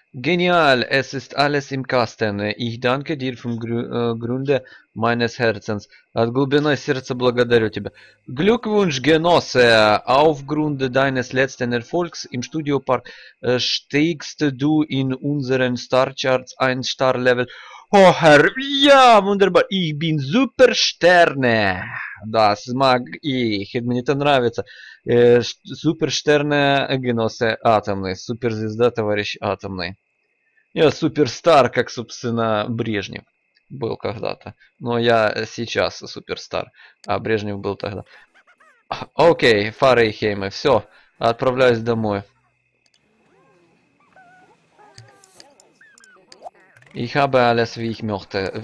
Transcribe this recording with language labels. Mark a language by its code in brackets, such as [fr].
[de] Гениаль, es ist alles im Kasten. Ich danke dir vom Grunde meines Herzens. [ru] От глубины сердца благодарю тебя. [de] Glückwunsch, Genosse, aufgrund deines letzten Erfolgs im Studio Park stiegst du in unseren Star Charts ein Star Level. О, Herr, ja, wunderbar. Ich bin super Sterne. Das mag ich. [ru] Мне это нравится. [de] Супер Штерне Геносе Атомный. [ru] Супер Звезда, товарищ Атомный. Я супер стар, как, собственно, Брежнев был когда-то. Но я сейчас супер стар, а Брежнев был тогда. Окей, Фарейхеймы, все, отправляюсь домой. [de] Ich habe alles, wie ich möchte.